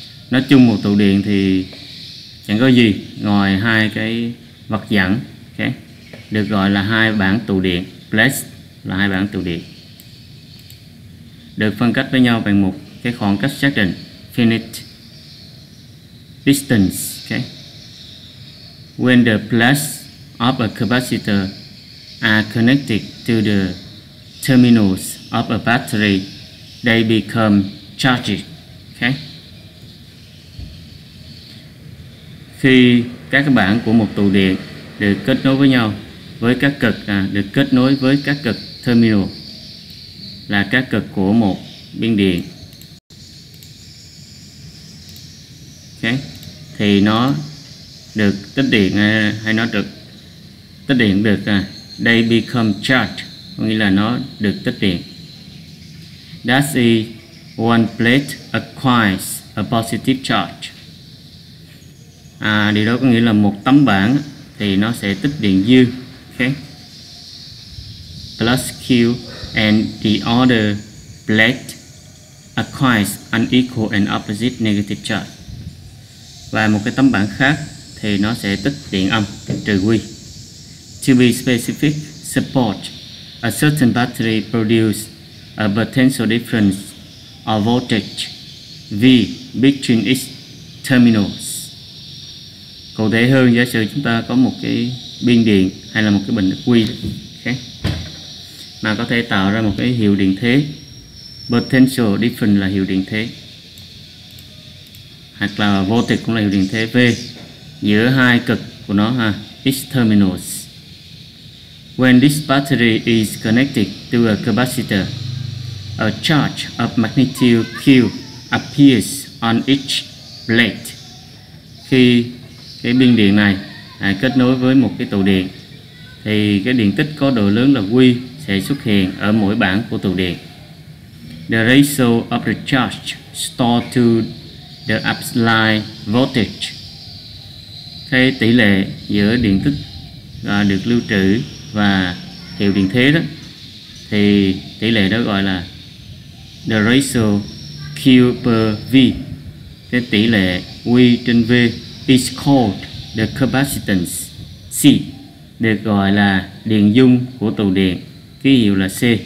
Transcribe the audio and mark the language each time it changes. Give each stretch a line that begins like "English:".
Vietnamese: Nói chung một tụ điện thì chẳng có gì ngoài hai cái vật dẫn, okay, được gọi là hai bảng tụ điện. Plates là hai bảng tụ điện được phân cách với nhau bằng một cái khoảng cách xác định,
English: finite distance. Okay. When the plates of a capacitor are connected to the terminals of a battery, they become charged. Okay.
Vietnamese: Khi các bảng của một tụ điện được kết nối với nhau với các cực được kết nối với các cực terminal là các cực của một biên điện. Okay. Thì nó được tích điện hay nó được tích điện được
English: they become charged,
Vietnamese: có nghĩa là nó được tích điện.
English: That is one plate acquires a positive charge.
Vietnamese: Điều đó có nghĩa là một tấm bảng thì nó sẽ tích điện dư. Okay.
English: Plus Q and the other plate acquires unequal and opposite negative charge.
Vietnamese: Và một cái tấm bảng khác thì nó sẽ tích điện âm trừ Q.
English: To be specific, support a certain battery produce a potential difference of voltage V between its terminals.
Vietnamese: Cụ thể hơn, giả sử chúng ta có một cái biên điện hay là một cái bình ắc quy khác mà có thể tạo ra một cái hiệu điện thế. Potential difference là hiệu điện thế, hoặc là voltage cũng là hiệu điện thế V giữa hai cực của nó ha,
English: each terminals. When this battery is connected to a capacitor, a charge of magnitude Q appears on each plate.
Vietnamese: Khi cái biên điện này kết nối với một cái tụ điện thì cái điện tích có độ lớn là Q sẽ xuất hiện ở mỗi bảng của tụ điện.
English: The ratio of the charge stored to the applied voltage.
Vietnamese: cái tỷ lệ giữa điện tức được lưu trữ và hiệu điện thế đó, thì tỷ lệ đó gọi là
English: the ratio Q per V,
Vietnamese: cái tỷ lệ V trên V
English: is called the capacitance C,
Vietnamese: được gọi là điện dung của tụ điện, ký hiệu là C.